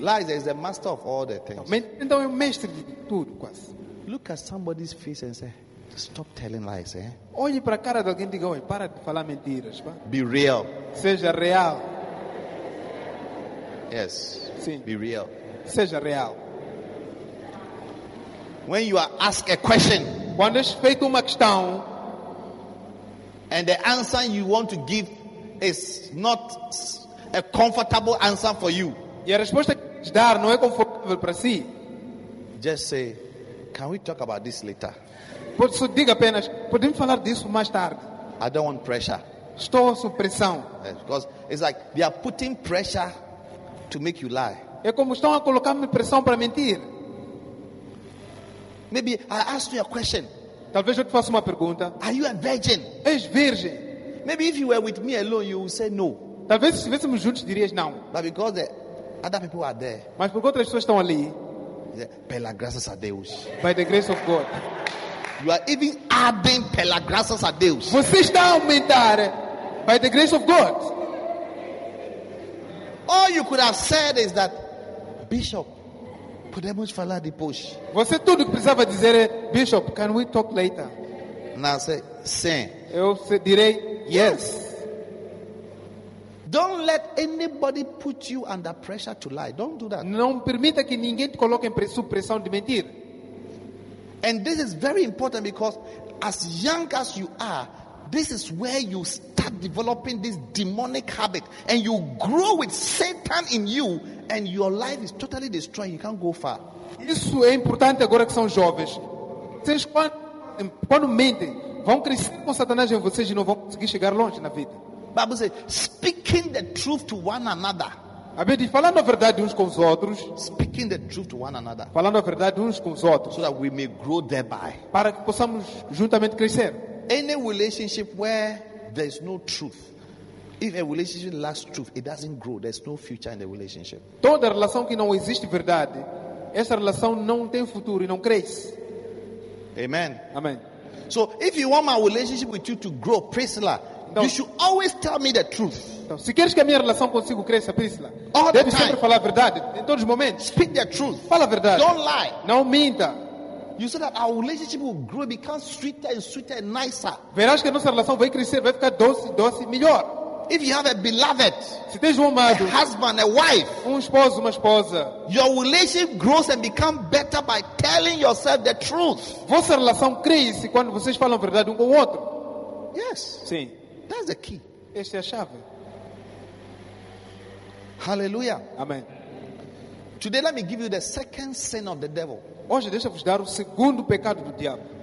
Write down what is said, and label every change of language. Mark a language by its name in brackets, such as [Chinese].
[English] Lies is the master of all the things. [Portuguese] Então é o mestre de tudo, quase. [English] Look at somebody's face and say, stop telling lies, eh? [Portuguese] Olhe para a cara de alguém e diga, oi, para de falar mentiras, pá. [English] Be real. [Portuguese] Seja real. [English] Yes. [Portuguese] Sim. [English] Be real. [Portuguese] Seja real. [English] When you are asked a question, [Portuguese] quando és feito uma questão, [English] and the answer you want to give is not a comfortable answer for you, [Portuguese] e a resposta que queres dar não é confortável para si, [English] just say, can we talk about this later? [Portuguese] Pode só diga apenas, podemos falar disso mais tarde. [English] I don't want pressure. [Portuguese] Estou sob pressão. [English] Yes, because it's like they are putting pressure to make you lie. [Portuguese] É como estão a colocar-me pressão para mentir. [English] Maybe I ask you a question. [Portuguese] Talvez eu te faça uma pergunta. [English] Are you a virgin? [Portuguese] És virgem? [English] Maybe if you were with me alone, you would say no. [Portuguese] Talvez se estivéssemos juntos dirias não. [English] But because the other people are there. [Portuguese] Mas porque outras pessoas estão ali? Pela graças a Deus. [English] By the grace of God. You are even adding [Portuguese] pela graças a Deus. Você está a aumentar [English] by the grace of God. All you could have said is that, Bishop, [Portuguese] podemos falar depois. Você tudo que precisava dizer é, Bishop, [English] can we talk later? Now say, sim. [Portuguese] Eu direi, yes. [English] Don't let anybody put you under pressure to lie. Don't do that. [Portuguese] Não permita que ninguém te coloque em pressão de mentir. [English] And this is very important because as young as you are, this is where you start developing this demonic habit and you grow with Satan in you and your life is totally destroyed. You can't go far. [Portuguese] Isso é importante agora que são jovens. Vocês quando mentem, vão crescer com Satanás em vocês e não vão conseguir chegar longe na vida. [English] Bible says, speaking the truth to one another. [Portuguese] A Bíblia diz, falando a verdade uns com os outros. [English] Speaking the truth to one another. [Portuguese] Falando a verdade uns com os outros. [English] So that we may grow thereby. [Portuguese] Para que possamos juntamente crescer. [English] Any relationship where there's no truth, if a relationship lacks truth, it doesn't grow. There's no future in the relationship. [Portuguese] Toda relação que não existe verdade, essa relação não tem futuro e não cresce. [English] Amen. [Portuguese] Amen. [English] So if you want my relationship with you to grow, Priscilla, então, you should always tell me the truth. [Portuguese] Então, se queres que a minha relação consigo cresça, Priscila, deve sempre falar a verdade em todos os momentos. [English] Speak the truth. [Portuguese] Fala a verdade. [English] Don't lie. [Portuguese] Não minta. [English] You said that our relationship will grow, become sweeter and sweeter and nicer. [Portuguese] Verás que a nossa relação vai crescer, vai ficar doce e melhor. [English] If you have a beloved, [Portuguese] se tens um amado, [English] a husband, a wife, [Portuguese] esposo, uma esposa, [English] your relationship grows and becomes better by telling yourself the truth. [Portuguese] Vossa relação cresce quando vocês falam a verdade um com o outro. [English] Yes. [Portuguese] Sim. [English] That's the key. [Portuguese] Essa é a chave. [English] Hallelujah. [Portuguese] Amen. [English] Today let me give you the second sin of the devil. [Portuguese] Hoje deixa eu vos dar o segundo pecado do diabo.